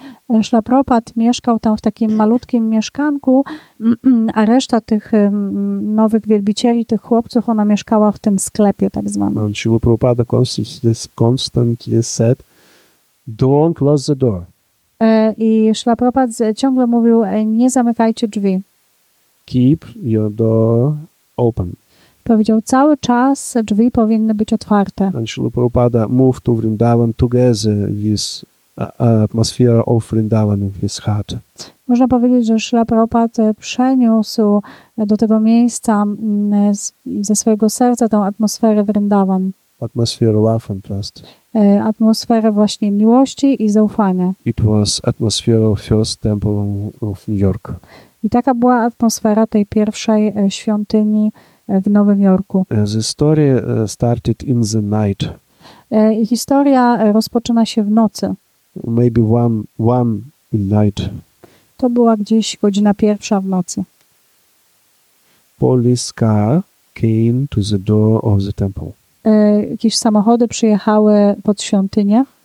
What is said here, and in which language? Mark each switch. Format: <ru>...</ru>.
<pl>Śrīla Prabhupāda mieszkał tam w takim malutkim mieszkanku, a reszta tych nowych wielbicieli, tych chłopców, ona mieszkała w tym sklepie tak zwanym.</pl> <en>Śrīla Prabhupāda constantly said, Don't close the door.</en> <pl>I Śrīla Prabhupāda ciągle mówił, nie zamykajcie drzwi.</pl> <en>Keep your door open.</en> <pl>Powiedział, cały czas drzwi powinny być otwarte.</pl> <en>And Śrīla Prabhupāda moved to Vrindavan together with atmosphere of Vrindavan in his heart.</en> <pl>Można powiedzieć, że Śrīla Prabhupāda przeniósł do tego miejsca ze swojego serca tą atmosferę Vrindavan.</pl> <en>Atmosphere love and trust.</en> <pl>Atmosfera właśnie miłości i zaufania.</pl> <en>It was atmosphere of first temple of New York.</en> <pl>I taka była atmosfera tej pierwszej świątyni w Nowym Jorku.</pl> <en>The story started in the night.</en> <pl>Historia rozpoczyna się w nocy.</pl> <en>Maybe one in night.</en> <pl>To była gdzieś godzina pierwsza w nocy.</pl> <en>Police car came to the door of the temple.</en> <pl>Jakieś samochody przyjechały pod świątynię.</pl>